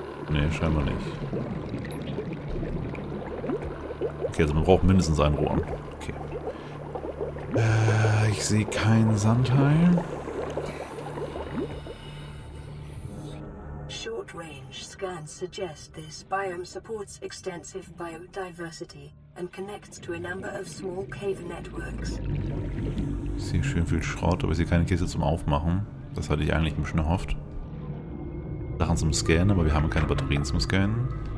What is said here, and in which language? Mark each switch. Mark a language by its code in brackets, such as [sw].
[de] Ne, scheinbar nicht. Okay, also man braucht mindestens ein Rohr. Ich sehe keinen Sandteil. [en] Short range scans suggest this biome supports extensive biodiversity and connects to a number of small cave networks. [de] Ich sehe schön viel Schrott, aber ich sehe keine Kiste zum Aufmachen. Das hatte ich eigentlich ein bisschen erhofft. Sachen zum Scannen, aber wir haben keine Batterien zum Scannen.